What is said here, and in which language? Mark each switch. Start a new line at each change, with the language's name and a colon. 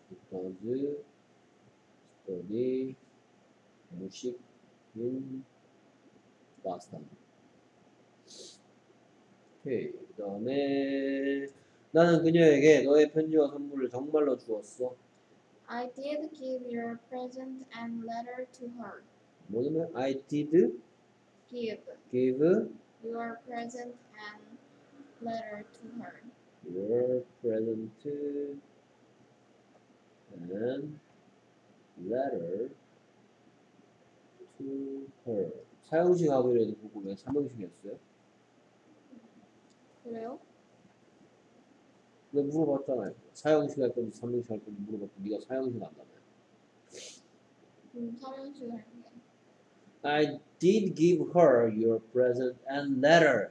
English: She does study music in Boston.
Korean: 오케이. 그 다음에 나는 그녀에게 너의 편지와 선물을 정말로 주었어.
English: I did give your present and letter to her.
Korean: 뭐냐면
English: I did give your present and letter to her. Your present and letter to her.
Korean: 사용식 하고라도 보고 왜 3명식이었어요? 그래요? 내가 물어봤잖아요. 사형식 할 건지 3형식 할 건지 물어봤고 네가 사형식 한다며. 3형식 할게.
English: I did give her your present and letter.